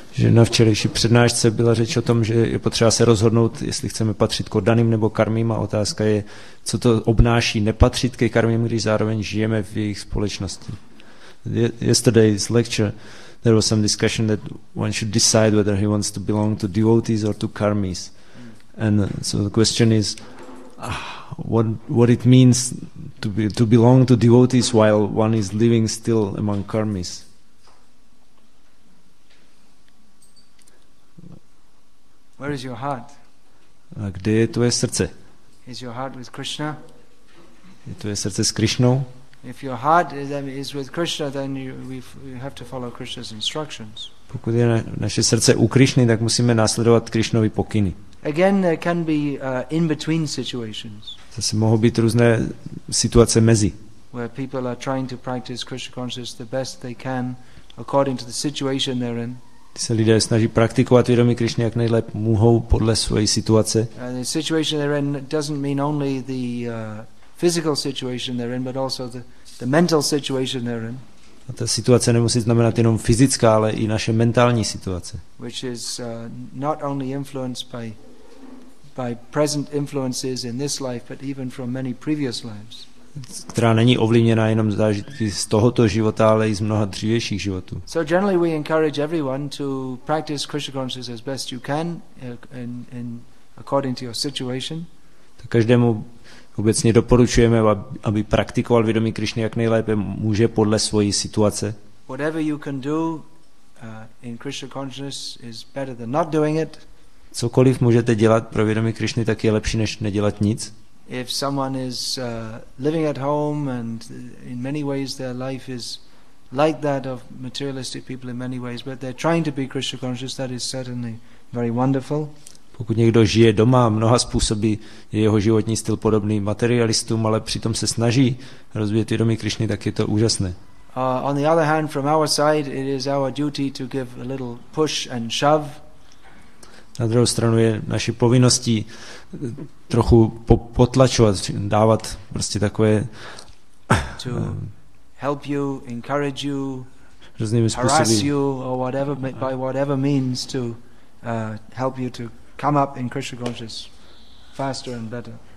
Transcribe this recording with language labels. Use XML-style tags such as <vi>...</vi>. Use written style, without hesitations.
<cs>Na včerejší přednášce byla řeč o tom, že je potřeba se rozhodnout, jestli chceme patřit k oddaným nebo karmím, a otázka je, co to obnáší nepatřit ke karmím, když zároveň žijeme v jejich společnosti.</cs> <en>Yesterday's lecture, there was some discussion that one should decide whether he wants to belong to devotees or to karmis. And so the question is, what it means to belong to devotees while one is living still among karmis. Where is your heart?</en> <cs>A kde je tvoje srdce?</cs> <en>Is your heart with Krishna?</en> <cs>Je tvoje srdce s Krishnou?</cs> <en>If your heart is with Krishna, then you have to follow Krishna's instructions.</en> <cs>Pokud je naše srdce u Krishny, tak musíme následovat Krishnovy pokyny.</cs> <en>Again, there can be in-between situations.</en> <cs>Zase mohou být různé situace mezi.</cs> <en>Where people are trying to practice Krishna consciousness the best they can according to the situation they're in.</en> <cs>Se lidé snaží praktikovat vědomí Krišny jak nejlépe mohou podle své situace.</cs> <en>And the situation they're in doesn't mean only the physical situation they're in, but also the mental situation they're in.</en> <cs>A ta situace nemusí znamenat jenom fyzická, ale i naše mentální situace.</cs> <en>Which is not only influenced by present influences in this life, but even from many previous lives.</en> <cs>Která není ovlivněna jenom zážitky z tohoto života, ale i z mnoha dřívějších životů.</cs> <en>So generally we encourage everyone to practice Krishna consciousness as best you can in according to your situation.</en> <cs>Tak každému obecně doporučujeme, aby praktikoval vědomí Krišny jak nejlépe může podle své situace.</cs> <en>Whatever you can do in Krishna consciousness is better than not doing it.</en> <cs>Cokoliv můžete dělat pro vědomí Krišny, tak je lepší než nedělat nic.</cs> <en>If someone is living at home and in many ways their life is like that of materialistic people in many ways, but they're trying to be Krishna conscious, that is certainly very wonderful.</en> <cs>Pokud někdo žije doma, mnoha způsoby je jeho životní styl podobný materialistům, ale přitom se snaží rozvíjet vědomí Krišny, tak je to úžasné.</cs> <en>On the other hand, from our side, it is our duty to give a little push and shove.</en> <cs>Na druhou stranu je naší povinností trochu potlačovat, dávat prostě takové</cs> <en>to help you, encourage you,</en> <cs>různými způsoby,</cs> <en>harass you or whatever, by whatever means to help you to come up in Krishna consciousness faster and better.</en>